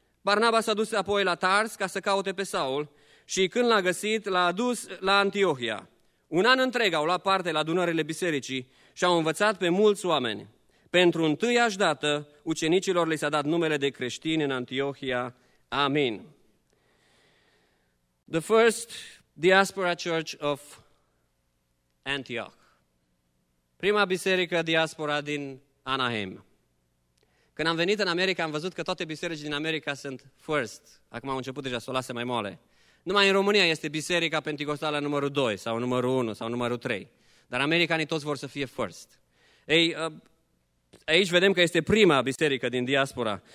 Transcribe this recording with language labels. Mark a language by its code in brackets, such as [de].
[ro] Barnaba s-a dus apoi la Tars ca să caute pe Saul și când l-a găsit, l-a adus la Antiohia. Un an întreg au luat parte la adunările bisericii și au învățat pe mulți oameni. Pentru întâiași dată, ucenicilor li s-a dat numele de creștini în Antiohia. Amin. [en] The first diaspora church of Antioch. [ro] Prima biserică diaspora din Anaheim. Când am venit în America, am văzut că toate bisericile din America sunt first. Acum au început deja să o lase mai moale. Numai în România este biserica penticostală numărul 2 sau numărul 1 sau numărul 3. Dar americanii toți vor să fie first. Ei, aici vedem că este prima biserică din diaspora.